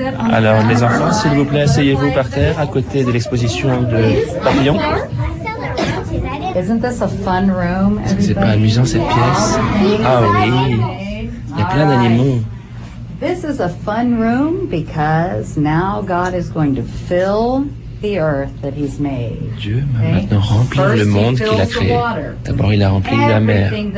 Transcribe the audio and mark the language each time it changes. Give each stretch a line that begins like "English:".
French: Alors, mes enfants, s'il vous plaît, asseyez-vous par terre à côté de l'exposition de Papillon. Est-ce que c'est pas amusant cette pièce? Ah oui, il y a plein d'animaux.
English: This is a fun room because now God is going to fill the earth that He's made.
French: Dieu va maintenant remplir le monde qu'il a créé. D'abord, il a rempli la mer.